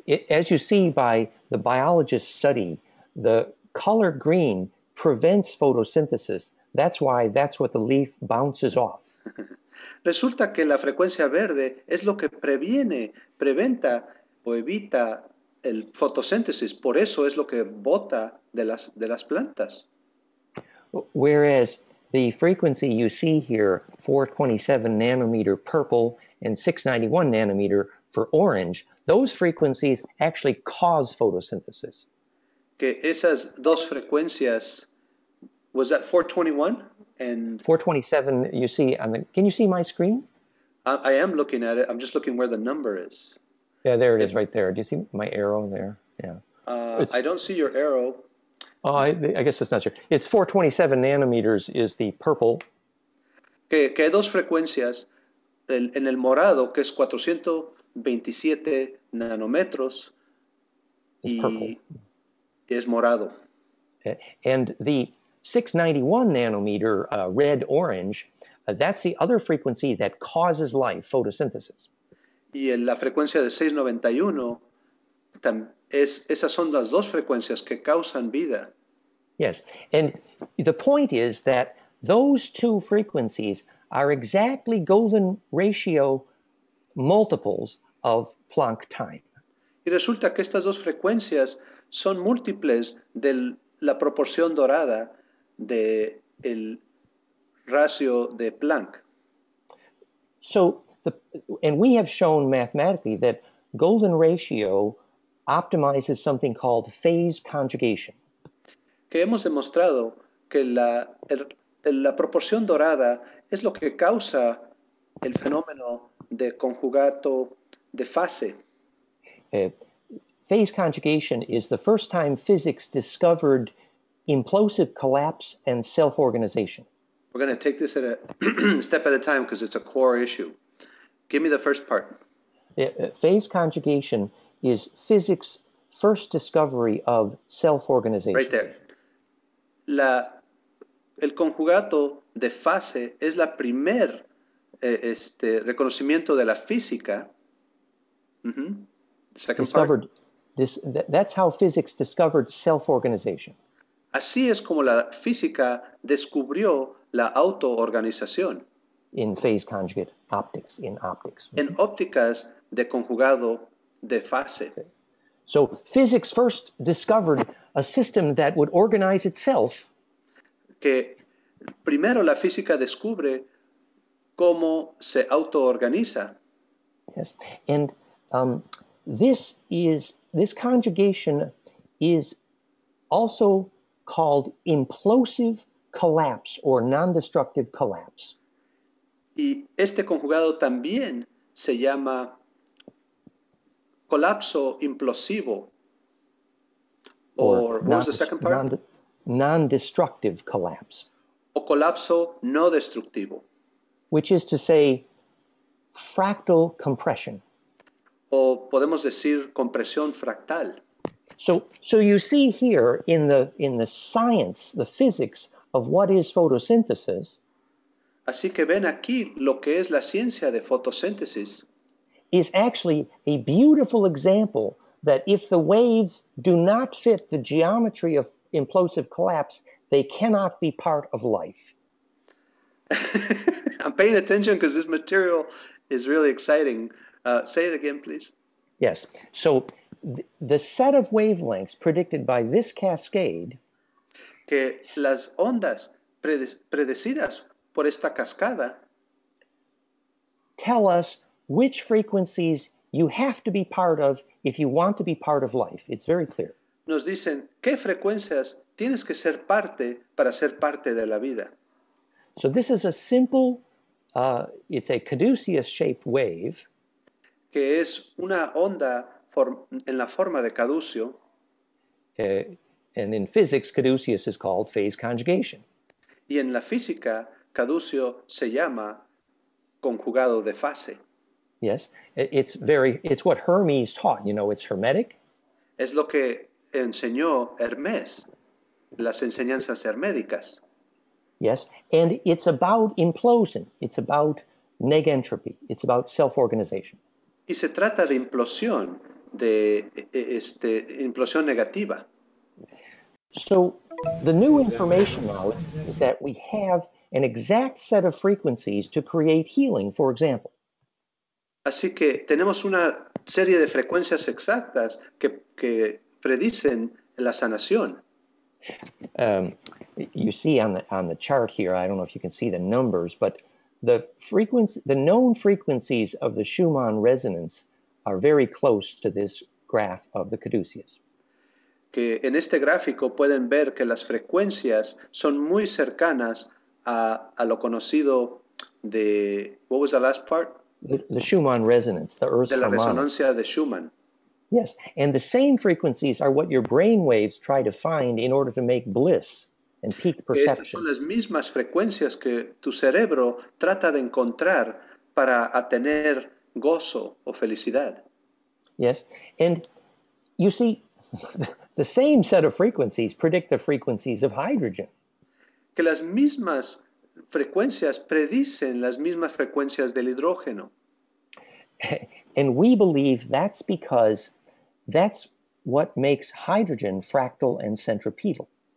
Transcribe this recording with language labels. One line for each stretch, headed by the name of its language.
English: As you see by the biologist's study, the color green prevents photosynthesis. That's why that's what the leaf bounces off.
Spanish: Resulta que la frecuencia verde es lo que previene, preventa o evita el fotosíntesis. Por eso es lo que bota de las plantas.
English: Whereas the frequency you see here, 427 nanometer purple and 691 nanometer for orange, those frequencies actually cause photosynthesis.
Spanish: Que esas dos frecuencias,
English: was that 421? And 427, you see on the, can you see my screen? I am looking at it. I'm just looking where the number is. Yeah, there it is right there. Do you see my arrow there? Yeah. I don't see your arrow. I guess it's not sure. It's 427 nanometers is the purple.
Spanish: Que dos frecuencias en el morado, que es 427 nanometros.
English: It's purple.
Spanish: Y es morado.
English: And the 691 nanometer, red-orange, that's the other frequency that causes life, photosynthesis.
Spanish: Y en la frecuencia de 691, esas son las dos frecuencias que causan vida.
English: Yes, and the point is that those two frequencies are exactly golden ratio multiples of Planck time.
Spanish: Y resulta que estas dos frecuencias son múltiples de la proporción dorada de el ratio de Planck.
English: So, and we have shown mathematically that golden ratio optimizes something called phase conjugation.
Spanish: Que hemos demostrado que la proporción dorada es lo que causa el fenómeno de conjugato de fase.
English: Phase conjugation is the first time physics discovered implosive collapse and self-organization. We're going to take this at a step at a time because it's a core issue. Give me the first part. Phase conjugation is physics' first discovery of self-organization. Right there.
Spanish: El conjugato de fase es la primer reconocimiento de la física.
English: Mm-hmm. Second discovered part. That's how physics discovered self-organization.
Spanish: Así es como la física descubrió la autoorganización.
English: In phase conjugate optics, in optics.
Spanish: Mm-hmm. En ópticas de conjugado de fase.
English: So physics first discovered a system that would organize itself.
Spanish: Que primero la física descubre cómo se autoorganiza.
English: Yes, and this conjugation is also called implosive collapse or non-destructive collapse.
Spanish: Y este conjugado también se llama colapso implosivo.
English: Or what was the second part? Non-destructive collapse.
Spanish: O colapso no destructivo.
English: Which is to say fractal compression.
Spanish: O podemos decir compresión fractal.
English: So you see here in the science, the physics of what is photosynthesis.
Spanish: Así que ven aquí lo que es la ciencia de fotosíntesis.
English: Is actually a beautiful example that if the waves do not fit the geometry of implosive collapse, they cannot be part of life. I'm paying attention because this material is really exciting. Say it again, please. Yes. So the set of wavelengths predicted by this cascade,
Spanish: que las ondas predecidas por esta cascada,
English: tell us which frequencies you have to be part of if you want to be part of life. It's very clear.
Spanish: Nos dicen qué frecuencias tienes que ser parte para ser parte de la vida.
English: So this is a simple, it's a caduceus-shaped wave.
Spanish: Que es una onda en la forma de caduceo.
English: And in physics, caduceus is called phase conjugation.
Spanish: Y en la física, caducio se llama conjugado de fase.
English: Yes, it's very, it's what Hermes taught, you know, it's hermetic.
Spanish: Es lo que enseñó Hermes, las enseñanzas herméticas.
English: Yes, and it's about implosion, it's about negentropy, it's about self-organization.
Spanish: Y se trata de implosión, de este, implosión negativa.
English: So, the new information now is that we have an exact set of frequencies to create healing, for example.
Spanish: Así que tenemos una serie de frecuencias exactas que predicen la sanación.
English: You see on the chart here, I don't know if you can see the numbers, but the frequency, the known frequencies of the Schumann resonance are very close to this graph of the caduceus.
Spanish: Que en este gráfico pueden ver que las frecuencias son muy cercanas a lo conocido de,
English: what was the last part? The Schumann resonance, the Earth's
Spanish: harmonics. De la resonancia de Schumann.
English: Yes, and the same frequencies are what your brain waves try to find in order to make bliss and peak perception.
Spanish: Estas son las mismas frecuencias que tu cerebro trata de encontrar para atener gozo o felicidad.
English: Yes, and you see, the same set of frequencies predict the frequencies of hydrogen.
Spanish: Que las mismas frecuencias predicen las mismas frecuencias del hidrógeno.
English: And we believe that's because that's what makes hydrogen fractal and centripetal.